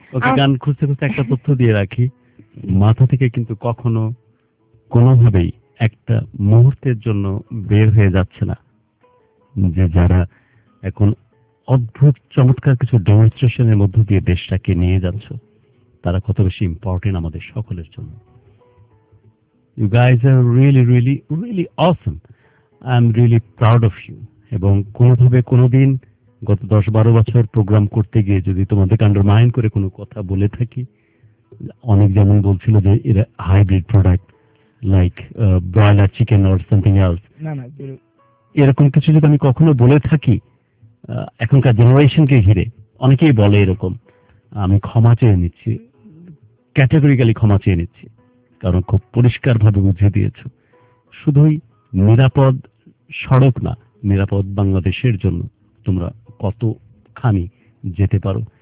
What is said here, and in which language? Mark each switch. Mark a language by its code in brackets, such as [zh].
[bn] ওকে, গান খুঁজতে খুঁজতে একটা তথ্য দিয়ে রাখি, মাথা থেকে কিন্তু কখনো কোনোভাবেই একটা মুহূর্তের জন্য বের হয়ে যাচ্ছে না যে যারা এখন অদ্ভুত চমৎকার কিছু ডেমনস্ট্রেশনের মধ্য দিয়ে দেশটাকে নিয়ে যাচ্ছে, তারা কত বেশি ইম্পর্টেন্ট আমাদের সকলের জন্য। [en] You guys are really, really, really awesome. I'm really proud of you. [bn] এবং কোনোভাবে কোনোদিন গত 10-12 বছর প্রোগ্রাম করতে গিয়ে যদি তোমাদের আন্ডারমাইন্ড করে কোনো কথা বলে থাকি, অনেক যেমন বলছিল যে এরা [en] hybrid product like broiler chicken or something else, [bn] এরকম কিছু যদি আমি কখনো বলে থাকি এখনকার জেনারেশনকে ঘিরে অনেকেই বলে এরকম, আমি ক্ষমা চেয়ে নিচ্ছি, ক্যাটাগরিক্যালি ক্ষমা চেয়ে নিচ্ছি, কারণ খুব পরিষ্কার ভাবে বুঝিয়ে দিয়েছো শুধুই নিরাপদ সড়ক না, নিরাপদ বাংলাদেশের জন্য তোমরা কতখানি যেতে পারো।